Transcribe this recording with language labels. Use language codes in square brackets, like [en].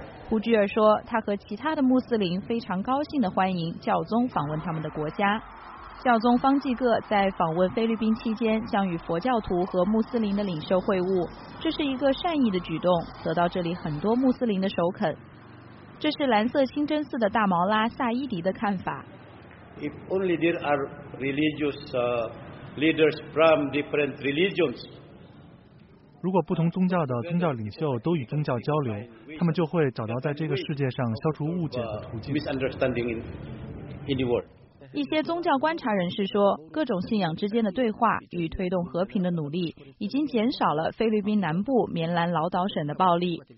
[zh] 胡居尔说，他和其他的穆斯林非常高兴地欢迎教宗访问他们的国家。教宗方济各在访问菲律宾期间将与佛教徒和穆斯林的领袖会晤，这是一个善意的举动，得到这里很多穆斯林的首肯。这是蓝色清真寺的大毛拉萨伊迪的看法。 [en] If only there are religious leaders from different religions， [zh] 如果不同宗教的宗教领袖都与宗教交流，他们就会找到在这个世界上消除误解的途径。一些宗教观察人士说，各种信仰之间的对话与推动和平的努力已经减少了菲律宾南部棉兰老岛省的暴力。